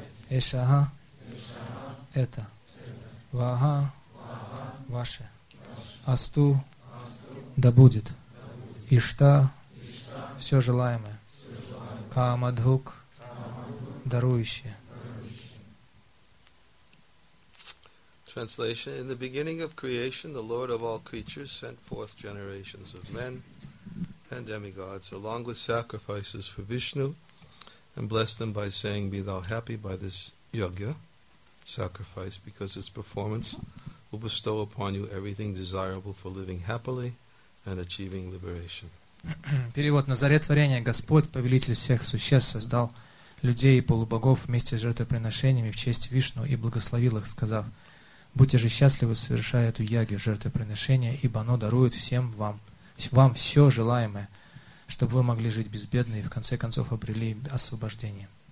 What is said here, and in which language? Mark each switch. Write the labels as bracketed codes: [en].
[ru] Эшага, это, Ваха, ваше, Асту, да будет, Ишта, все желаемое, Камадхук, дарующие. [en] Translation: In the beginning of creation, the Lord of all creatures sent forth generations of men and demigods, along with sacrifices for Vishnu, and blessed them by saying, "Be thou happy by this yajna, sacrifice, because its performance will bestow upon you everything desirable for living happily and achieving liberation." [ru] Перевод: На заре творения Господь, повелитель всех существ, создал людей и полубогов вместе с жертвоприношениями в честь Вишну и благословил их, сказав: будьте же счастливы, совершая эту ягью жертвоприношение, ибо оно дарует всем вам, вам все желаемое, чтобы вы могли жить безбедно и в конце концов обрели освобождение.